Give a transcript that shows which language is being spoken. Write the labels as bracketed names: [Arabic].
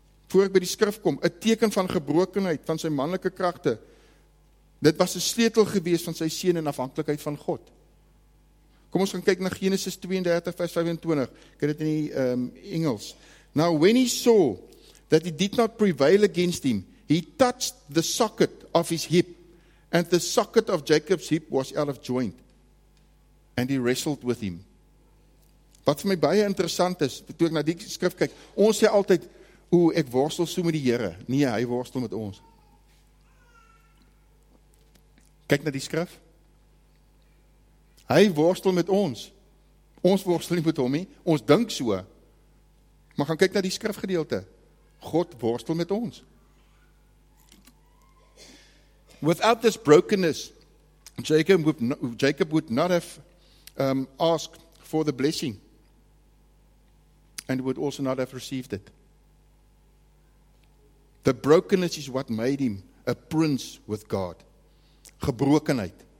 [Afrikaans] Voor ek by die skrif kom, 'n teken van gebrokenheid van sy manlike kragte. Dit was 'n sleutel gewees van sy seën en afhanklikheid van God. Kom ons gaan kyk na Genesis 32 vers 25. Ek het dit in die Engels. [English] Now when he saw that he did not prevail against him. He touched the socket of his hip, and the socket of Jacob's hip was out of joint, and he wrestled with him. [Afrikaans] Wat vir my baie interessant is, toe ek na die skrif kyk, ons sê altyd, o, ek worstel so met die Here. Nee, hy worstel met ons. Kyk na die skrif. Hy worstel met ons. Ons worstel nie met hom nie. Ons dink so. Maar gaan kyk na die skrifgedeelte. God worstel met ons. [English] Without this brokenness, Jacob would not have asked for the blessing. And would also not have received it. The brokenness is what made him a prince with God. Gebrokenheid.